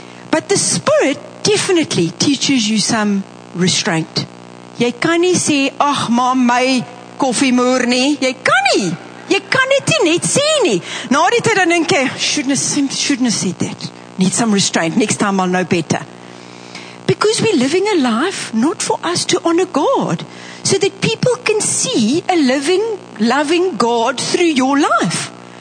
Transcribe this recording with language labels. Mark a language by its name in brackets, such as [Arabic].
[English] But the Spirit definitely teaches you some restraint. [Afrikaans] Jy kan nie sê, ach mam, my koffie moer nie. Jy kan nie. Jy kan dit nie net sê nie. Na die tyd dan denk jy, [English] shouldn't have said that. Need some restraint. Next time I'll know better. Because we're living a life not for us to honor God. So that people can see a living, loving God through your life.